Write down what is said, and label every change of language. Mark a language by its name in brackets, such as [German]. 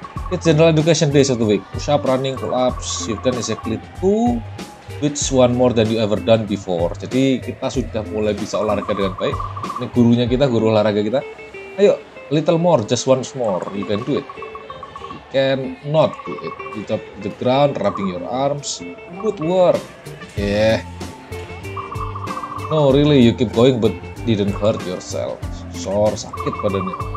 [English] It's general education day, 1 week push up, running, pull ups, you've done exactly 2 which one more than you ever done before. [Indonesian] Jadi kita sudah mulai bisa olahraga dengan baik. Ini gurunya kita, guru olahraga kita. [English] Ayo, little more, just once more, you can do it. You can not do it. You tap the ground, rubbing your arms. Good work. Yeah. No, really, you keep going but didn't hurt yourself. Sore, [Indonesian] sakit badannya.